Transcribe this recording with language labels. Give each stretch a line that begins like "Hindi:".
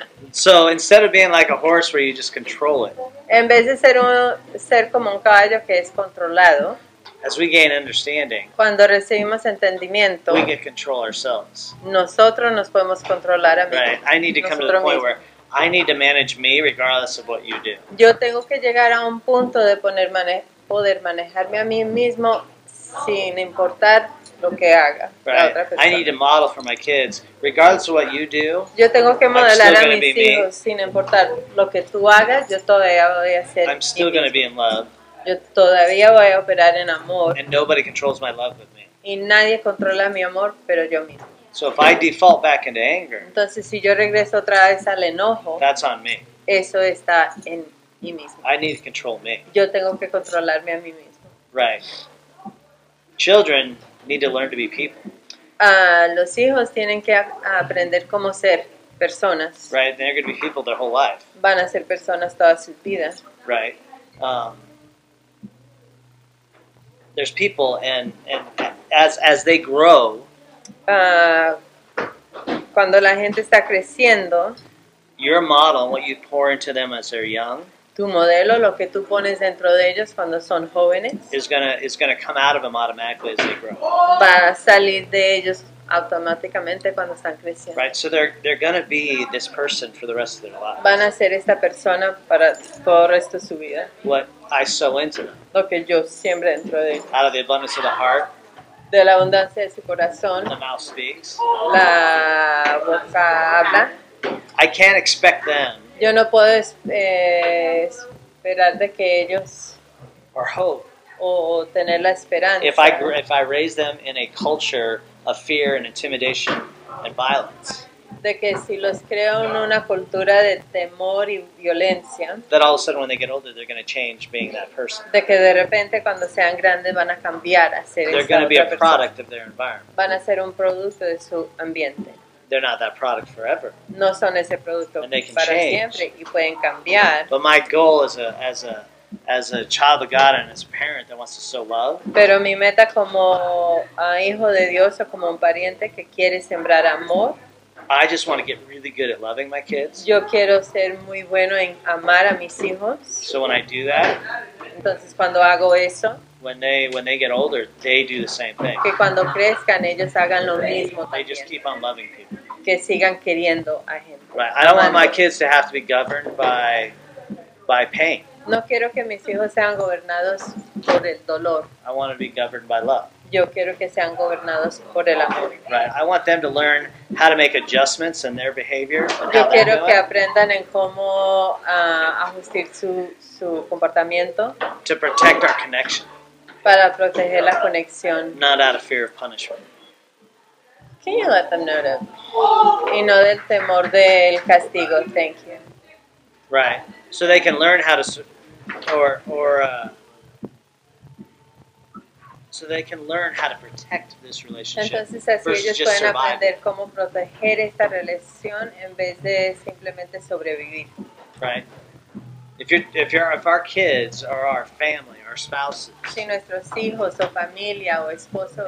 English: So instead of being like a horse where you just control it.
Spanish: En vez de ser como un caballo que es controlado.
English: As we gain understanding,
Spanish: cuando recibimos entendimiento,
English: we can control ourselves.
Spanish: Nosotros nos podemos controlar a mí.
English: Right. I need to come to the point where I need to manage me regardless of what you do.
Spanish: Yo tengo que llegar a un punto de poder manejarme a mí mismo sin importar lo que haga
English: right.
Spanish: la otra persona.
English: I need to model for my kids regardless of what you do.
Spanish: Yo tengo que modelar a mis hijos sin importar lo que tú hagas, yo todavía voy a ser
English: I'm still going to be in love.
Spanish: Yo todavía voy a operar en amor.
English: And nobody controls my love with me.
Spanish: Y nadie controla mi amor, pero yo mismo.
English: So if I default back into anger,
Spanish: entonces si yo regreso otra vez al enojo,
English: that's on me.
Spanish: Eso está en mí mismo.
English: I need to control me.
Spanish: Yo tengo que controlarme a mí mismo.
English: Right. Children need to learn to be people.
Spanish: Los hijos tienen que aprender cómo ser personas.
English: Right. They're going to be people their whole life.
Spanish: Van a ser personas toda su vida.
English: Right. There's people, and as they grow,
Spanish: cuando la gente está creciendo,
English: your model, what you pour into them as they're young,
Spanish: tu modelo, lo que tú pones dentro de ellos cuando son jóvenes,
English: is gonna come out of them automatically as they grow.
Spanish: Va a salir de ellos automáticamente cuando están creciendo.
English: Right, so they're going to be this person for the rest of their lives.
Spanish: Van a ser esta persona para todo el resto de su vida.
English: What I sow into them.
Spanish: Lo que yo siembro dentro de ellos.
English: Out of the abundance of the heart.
Spanish: De la abundancia de su corazón.
English: The mouth speaks.
Spanish: La boca habla.
English: I can't expect them.
Spanish: Yo no puedo esperar de que ellos.
English: Or hope.
Spanish: O tener la esperanza.
English: If I raise them in a culture of fear and intimidation and violence.
Spanish: De que si los creo en una cultura de temor y violencia.
English: That all of a sudden when they get older they're going to change being that person.
Spanish: De que de repente cuando sean grandes van a cambiar a ser.
English: They're going to be a product of their environment.
Spanish: Van a ser un producto de su ambiente.
English: They're not that product forever.
Spanish: No son ese producto
English: and they can
Spanish: para
English: change.
Spanish: Siempre y pueden cambiar.
English: But my goal is as a child of God and as a parent that wants to sow love.
Spanish: Pero mi meta como hijo de Dios o como un pariente que quiere sembrar amor.
English: I just want to get really good at loving my kids.
Spanish: Yo quiero ser muy bueno en amar a mis hijos.
English: So when I do that.
Spanish: Entonces cuando hago eso.
English: When they get older, they do the same thing.
Spanish: Que cuando crezcan ellos hagan lo mismo también.
English: They just keep on loving people.
Spanish: Que sigan queriendo a gente.
English: Right. I don't want my kids to have to be governed by pain.
Spanish: No quiero que mis hijos sean gobernados por el dolor.
English: I want to be governed by love.
Spanish: Yo quiero que sean gobernados por el amor.
English: Right. I want them to learn how to make adjustments in their behavior.
Spanish: Yo quiero que aprendan en cómo ajustar su comportamiento.
English: To protect our connection.
Spanish: Para proteger la conexión.
English: Not out of fear of punishment. Can you let them know that?
Spanish: Y no del temor del castigo.
English: Thank you. Right. So they can learn how to, so they can learn how to protect this relationship.
Spanish: Entonces, así
English: versus
Spanish: ellos
English: just
Spanish: pueden
English: survive.
Spanish: Aprender cómo proteger esta relación en vez de simplemente sobrevivir.
English: Right. If our kids or our family, our spouses.
Spanish: Si nuestros hijos o familia o esposo o esposa.